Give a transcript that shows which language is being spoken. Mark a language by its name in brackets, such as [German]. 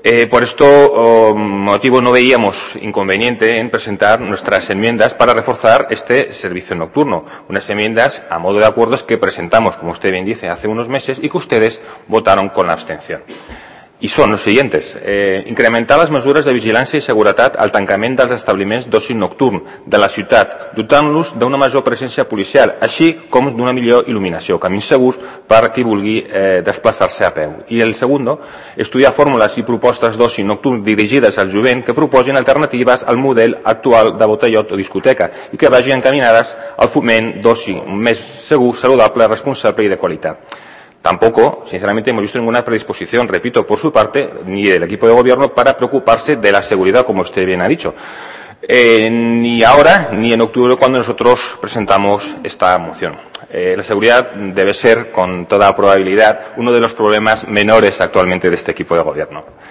[Spanish] Por esto motivo no veíamos inconveniente en presentar nuestras enmiendas para reforzar este servicio nocturno, unas enmiendas a modo de acuerdos que presentamos, como usted bien dice, hace unos meses y que ustedes votaron con la abstención. [Catalan] i són els [Spanish] siguientes. [Catalan] Incrementar les mesures de vigilància i seguretat al tancament dels establiments d'oci nocturn de la ciutat, dotant-los d'una major presència policial, així com d'una millor il·luminació, camins segurs per a qui vulgui desplaçar-se a peu. I el segon, estudiar fórmules i propostes d'oci nocturn dirigides al jovent que proposin alternatives al model actual de botellot o discoteca i que vagin encaminades al foment d'oci més segur, saludable, responsable i de qualitat. [Spanish] Tampoco, sinceramente, hemos visto ninguna predisposición, repito, por su parte, ni del equipo de gobierno, para preocuparse de la seguridad, como usted bien ha dicho. Ni ahora, ni en octubre, cuando nosotros presentamos esta moción. La seguridad debe ser, con toda probabilidad, uno de los problemas menores actualmente de este equipo de gobierno.